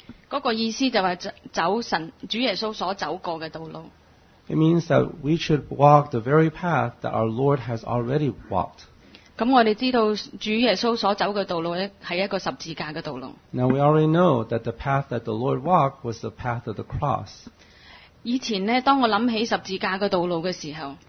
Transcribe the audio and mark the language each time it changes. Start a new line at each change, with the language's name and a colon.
Cantonese: 嗰个意思就系走神主耶稣所走过嘅道路。
English: It means that we should walk the very path that our Lord has already walked.
Cantonese: 咁我哋知道主耶稣所走嘅道路咧，系一个十字架嘅道路。
English: Now we already know that the path that the Lord walked was the path of the cross.
Cantonese: 以前咧，当我谂起十字架嘅道路嘅时候